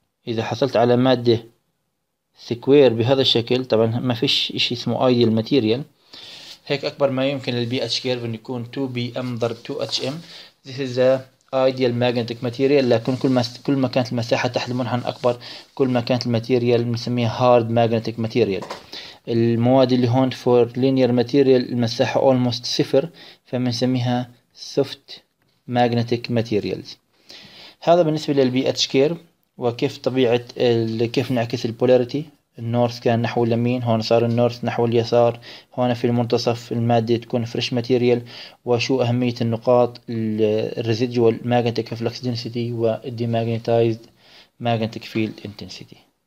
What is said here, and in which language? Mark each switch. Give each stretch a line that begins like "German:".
Arabic: إذا حصلت على مادة square بهذا الشكل، طبعا ما فيش إشي اسمه ideal material، هيك أكبر ما يمكن الـ BH curve إنه يكون 2BM ضرب 2HM.
English: This is a ideal magnetic material،
Arabic: لكن كل ما كانت المساحة تحت المنحنى أكبر كل ما كانت الماتيريال بنسميها hard magnetic material. المواد اللي هون
English: for linear material
Arabic: المساحة almost صفر، فبنسميها soft magnetic materials. هذا بالنسبة لل BH curve وكيف طبيعة كيف نعكس البولاريتي. النورث كان نحو اليمين، هون صار النورث نحو اليسار، هون في المنتصف المادة تكون فريش ماتيريال، وشو أهمية النقاط الريزيدوال ماجنتيك فلكس دينسيتي والدي ماجنتايزد ماجنتيك فيلد انتنسيتي.